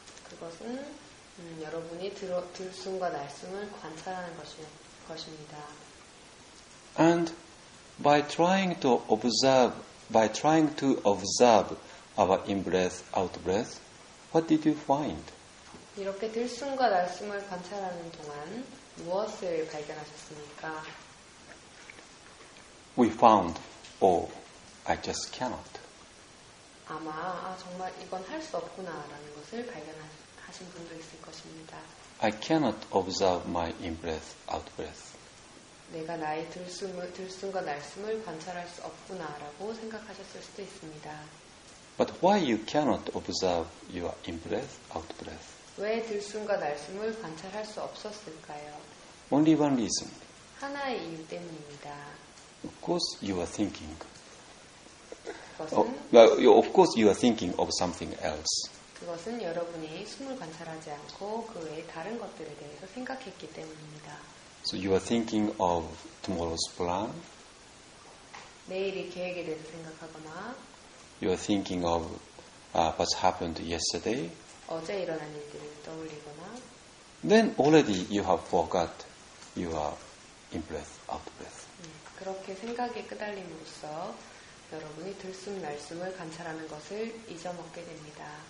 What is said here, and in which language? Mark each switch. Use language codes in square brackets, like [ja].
[ko] 그것은 여러분이 들숨과 날숨을 관찰하는 것입니다. [en] And by trying to observe our in-breath, out-breath, what did you find? [ko] 이렇게 들숨과 날숨을 관찰하는 동안 무엇을 발견하셨습니까? [en] We found, oh, I just cannot. [ko] 아마 정말 이건 할 수 없구나라는 것을 발견하신 분도 있을 것입니다. [en] I cannot observe my in-breath, out-breath. [ko] 내가 나의 들숨과 날숨을 관찰할 수 없구나라고 생각하셨을 수도 있습니다. [en] But why you cannot observe your in-breath, out-breath? [ko] 왜 들숨과 날숨을 관찰할 수 없었을까요? [en] Only one reason. [ko] 하나의 이유 때문입니다. [en] Of course you are thinking. Of course you are thinking of something else. [ko] 그것은 여러분이 숨을 관찰하지 않고 그 외에 다른 것들에 대해서 생각했기 때문입니다. [en] So you are thinking of tomorrow's plan. [ko] 내일의 계획에 대해서 생각하거나 [en] You are thinking of what's happened yesterday. [ko] 어제 일어난 일들을 떠올리거나 [en] Then already you have forgot your in-breath, out-breath. [ko] 그렇게 생각에 끄달림으로써 여러분이 들숨 날숨을 관찰하는 것을 잊어먹게 됩니다.